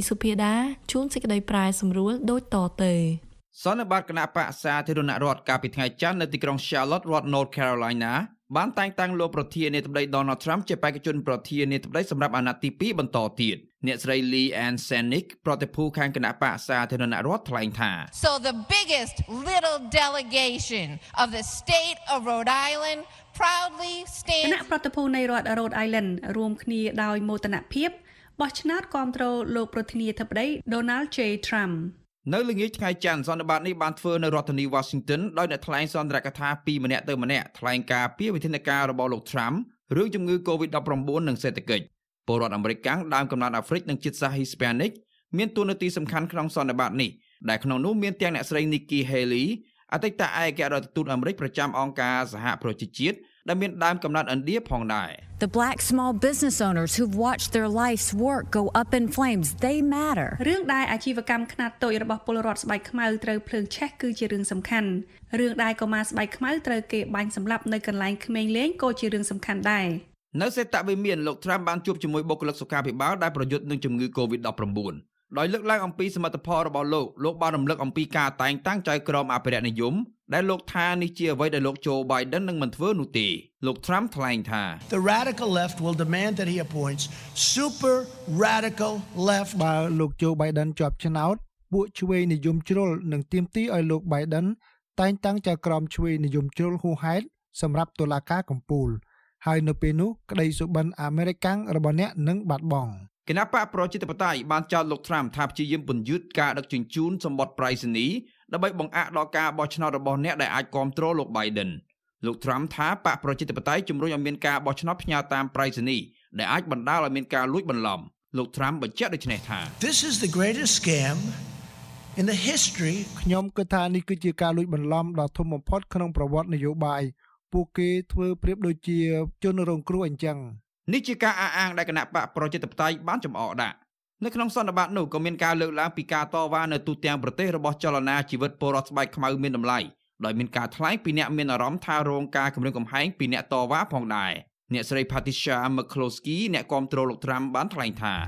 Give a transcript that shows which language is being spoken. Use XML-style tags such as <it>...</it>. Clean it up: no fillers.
<km>Supida ជួនសេចក្តីប្រាយសម្រួលដូចតទៅ សន្និបាតគណៈបក្សសាធារណរដ្ឋកាលពីថ្ងៃច័ន្ទនៅទីក្រុង Charlotte រដ្ឋ North Carolina បានតែងតាំងលោកប្រធាននាយកដ្ឋាន Donald Trump ជាបេក្ខជនប្រធាននាយកដ្ឋានសម្រាប់អាណត្តិទី2បន្តទៀតអ្នកស្រី Lee Ann Senick ប្រតិភូខាងគណៈបក្សសាធារណរដ្ឋថ្លែងថា</km> <en>So the biggest little delegation of the state of Rhode Island proudly stands</en> <km>គណៈប្រតិភូនៃរដ្ឋ Rhode Island រួមគ្នាដោយមោទនភាពបោះឆ្នោតគាំទ្រលោកប្រធានាធិបតី Donald J. Trump នៅល្ងាចថ្ងៃច័ន្ទសន្និបាតនេះបានធ្វើនៅរដ្ឋធានី Washington ដោយអ្នកថ្លែងសន្ទរកថាពីរម្នាក់ទៅម្នាក់ថ្លែងការពីវិធានការរបស់លោក Trump រឿងជំងឺ COVID-19 និងសេដ្ឋកិច្ចពលរដ្ឋអាមេរិកដើមកំណើតអាហ្វ្រិកនិងជាតិសាសន៍ Hispanic មានតួនាទីសំខាន់ក្នុងសន្និបាតនេះដែលក្នុងនោះមានទាំងអ្នកស្រី Nikki Haley អតីតឯកអគ្គរដ្ឋទូតអាមេរិកប្រចាំអង្គការសហប្រជាជាតិដែលមានដើមកំណើតឥណ្ឌាផងដែរ</km> <en>The black small business owners who've watched their life's work go up in flames, they matter.</en> <km>រឿងដែរអាជីវកម្មខ្នាតតូចរបស់ពលរដ្ឋស្បែកខ្មៅត្រូវភ្លើងឆេះគឺជារឿងសំខាន់រឿងដែរកុមារស្បែកខ្មៅត្រូវគេបាញ់សម្លាប់នៅកន្លែងក្មេងលេងក៏ជារឿងសំខាន់ដែរ នៅសេតវិមានលោក Trump បានជួបជាមួយបុគ្គលិកសុខាភិបាលដែលប្រយុទ្ធនឹងជំងឺ COVID-19 ដោយលើកឡើងអំពីសមត្ថភាពរបស់លោកលោកបានរំលឹកអំពីការតែងតាំងចៅក្រមអភិរក្សនិយមដែលលោកថានេះជាអ្វីដែលលោកโจ Biden នឹងមិនធ្វើនោះទេលោក Trump ថ្លែងថា</km> <en>The radical left will demand that he appoints super radical left</en> <km>បើលោកโจ Biden ជាប់ឆ្នោតពួកជ្វេនិយមជ្រុលនឹងទាមទារឲ្យលោក Biden តែងតាំងចៅក្រមជ្វេនិយមជ្រុលហួហេតសម្រាប់តុលាការកំពូលហើយនៅពេលនោះក្តីសុបិនអាមេរិកាំងរបស់អ្នកនឹងបាត់បង់ គណៈបកប្រជាធិបតេយ្យបានចោទលោកត្រាំថាព្យាយាមពន្យឺតការដឹកជញ្ជូនសម្បត្តិប្រៃសណីដើម្បីបង្អាក់ដល់ការបោះឆ្នោតរបស់អ្នកដែលអាចគ្រប់គ្រងលោក Biden លោកត្រាំថាបកប្រជាធិបតេយ្យជំរុញឲ្យមានការបោះឆ្នោតផ្ញើតាមប្រៃសណីដែលអាចបណ្តាលឲ្យមានការលួចបន្លំលោកត្រាំបញ្ជាក់ដូចនេះថា</km> <en>This is the greatest scam in the history</en> <km>ខ្ញុំគិតថានេះគឺជាការលួចបន្លំដ៏ធំបំផុតក្នុងប្រវត្តិនយោបាយពួកគេធ្វើប្រៀបដូចជាជនរងគ្រោះអញ្ចឹង នេះជាការអះអាងដែលគណៈបកប្រជាធិបតេយ្យបានចំអកដាក់នៅក្នុងសន្និបាតនោះក៏មានការលើកឡើងពីការតវ៉ានៅទូទាំងប្រទេសរបស់ចលនាជីវិតពលរដ្ឋស្បែកខ្មៅមានតម្លៃដោយមានការថ្លែងពីអ្នកមានអារម្មណ៍ថារងការគំរាមកំហែងពីអ្នកតវ៉ាផងដែរអ្នកស្រី Patricia McCloskey អ្នកគាំទ្រលោកត្រាំបានថ្លែងថា</km>